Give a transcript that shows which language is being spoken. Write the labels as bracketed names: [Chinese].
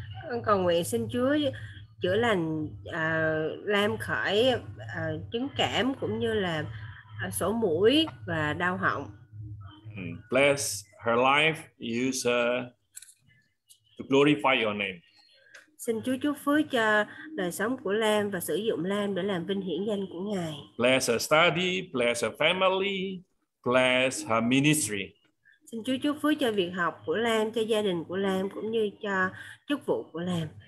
[Vietnamese] Con cầu nguyện xin Chúa chữa lành Lam khỏi chứng cảm cũng như là sổ mũi và đau họng. [English] Bless her life, use her to glorify your name. [Vietnamese] Xin Chúa chúc phước cho đời sống của Lam và sử dụng Lam để làm vinh hiển danh của Ngài. [English] Bless her study, bless her family, bless her ministry. [Vietnamese] Xin Chúa chúc phước cho việc học của Lam, cho gia đình của Lam cũng như cho chức vụ của Lam.